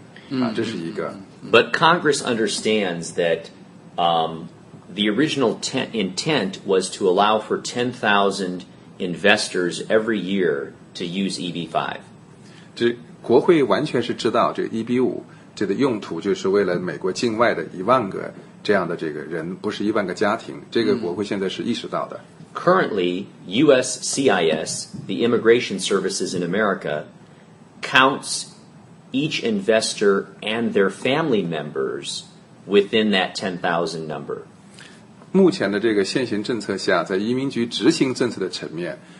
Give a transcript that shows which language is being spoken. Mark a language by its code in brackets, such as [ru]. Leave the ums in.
[en] Mm -hmm. Congress understands that, um, the original intent was to allow for ten thousand investors every year to use EB five. [zh] 国会完全是知道这一比五这个用途，就是为了美国境外的一万个这样的这个人，不是一万个家庭。这个国会现在是意识到的。 [en] Currently, U.S. C.I.S. the Immigration Services in America counts each investor and their family members within that ten thousand number. [zh] 目前的这个现行政策下，在移民局执行政策的层面。